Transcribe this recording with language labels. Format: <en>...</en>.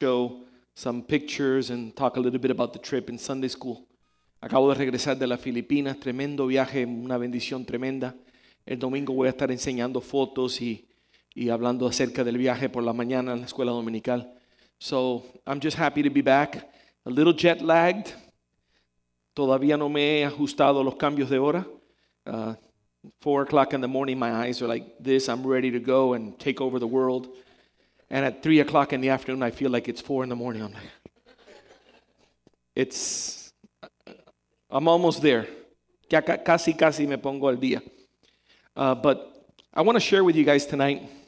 <en>show some pictures and talk a little bit about the trip in Sunday school.</en> <es>Acabo de regresar de las Filipinas, tremendo viaje, una bendición tremenda. El domingo voy a estar enseñando fotos y hablando acerca del viaje por la mañana en la escuela dominical.</es> <en>So, I'm just happy to be back. A little jet lagged.</en> <es>Todavía no me he ajustado a los cambios de hora.</es> <en>4 o'clock in the morning, my eyes are like this. I'm ready to go and take over the world. And at 3 o'clock in the afternoon, I feel like it's 4 in the morning. I'm like, I'm almost there.</en> <es>Ya casi, casi me pongo al día.</es> <en>But I want to share with you guys tonight.</en>